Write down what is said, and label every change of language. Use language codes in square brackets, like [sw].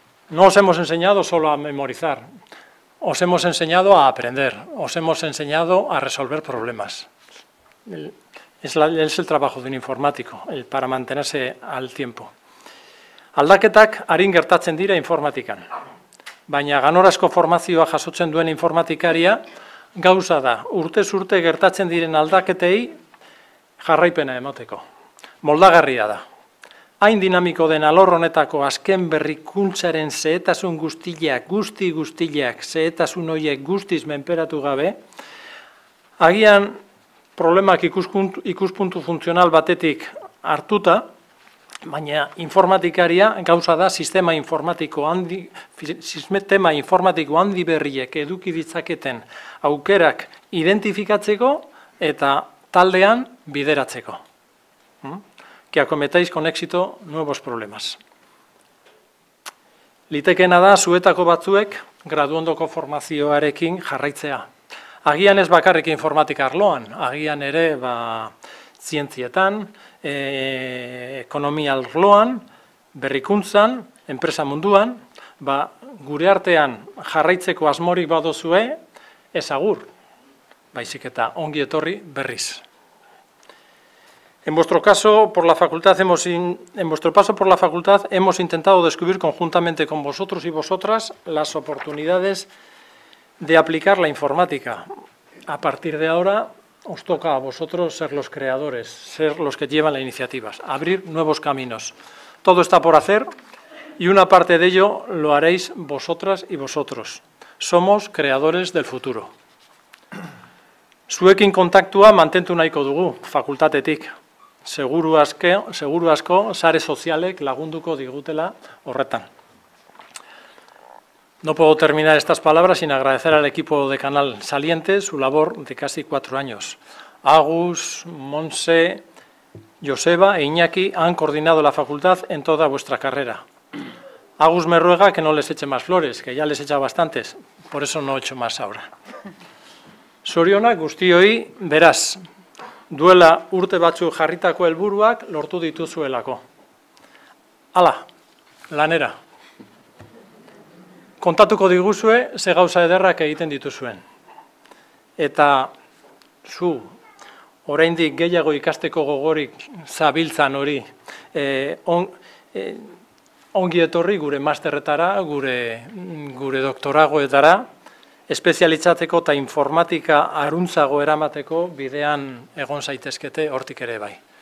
[es] No os hemos enseñado solo a memorizar. Os hemos enseñado a aprender. Os hemos enseñado a resolver problemas. Es el trabajo de un informático, para mantenerse al tiempo. [eu] Aldaketak arin gertatzen dira informatikan. Baina ganorazko formazioa jasotzen duen informatikaria, gauza da, urtez urte gertatzen diren aldaketei, jarraipena emateko. Moldagarria da. Hain dinamiko den alor honetako azken berrikuntzaren zehetasun guztiak, zehetasun horiek guztiz menperatu gabe, agian problemak ikuspuntu funtzional batetik hartuta, baina informatikaria gauza da sistema informatiko handi berriek eduki ditzaketen aukerak identifikatzeko eta taldean bideratzeko. [es] Que acometáis con éxito nuevos problemas. [eu] Litekena da zuetako batzuek graduondoko formazioarekin jarraitzea. Agian ez bakarrik informatika arloan, agian ere zientzietan, ekonomia arloan, berrikuntzan, enpresa munduan, gure artean jarraitzeko asmorik badozue, ez agur, baizik eta ongi etorri berriz. [es] En vuestro paso por la facultad hemos intentado descubrir conjuntamente con vosotros y vosotras las oportunidades de aplicar la informática. A partir de ahora os toca a vosotros ser los creadores, ser los que llevan las iniciativas, abrir nuevos caminos. Todo está por hacer y una parte de ello lo haréis vosotras y vosotros. Somos creadores del futuro. [eu] Zuekin kontaktua mantentu nahiko dugu, fakultatetik. Seguru asko, sare sozialek lagunduko digutela horretan. [es] No puedo terminar estas palabras sin agradecer al equipo de Canal Saliente su labor de casi 4 años. Agus, Monse, Joseba e Iñaki han coordinado la facultad en toda vuestra carrera. Agus me ruega que no les eche más flores, que ya les echa bastantes, por eso no echo más ahora. [eu] Soriona, guztioi, verás. Duela urte batzuk jarritako helburuak lortu dituzuelako. Hala, lanera. Kontatuko diguzue ze gauza ederrak egiten dituzuen. Eta zu, oraindik gehiago ikasteko gogorik zabiltzan hori, ongi etorri gure masterretara, gure doktoragoetara, espezialitzateko eta informatika aruntzago eramateko bidean egon zaitezkete hortik ere bai.